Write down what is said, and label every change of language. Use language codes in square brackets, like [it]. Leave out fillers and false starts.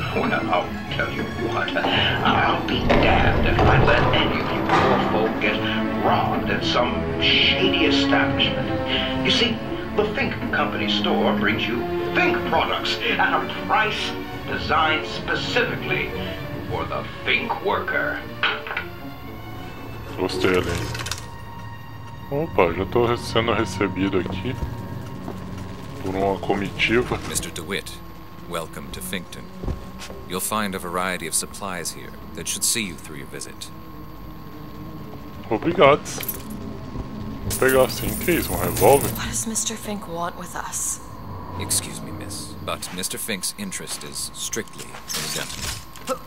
[en] Well, I'll tell you what, I'll be damned if I let any of you poor folk get robbed at some shady establishment. You see, the Fink Company store brings you Fink products at a price designed specifically for the Fink worker. What's the other thing? [pt] Opa, já tô sendo recebido aqui por uma comitiva. [en] Mr. DeWitt, welcome to Finkton. You'll find a variety of supplies here that should see you through your visit. [pt] Obrigado. Vou pegar assim, que isso, um revólver? [en] What does Mr. Fink want with us? Excuse me, miss, but Mr. Fink's interest is strictly in the gentleman.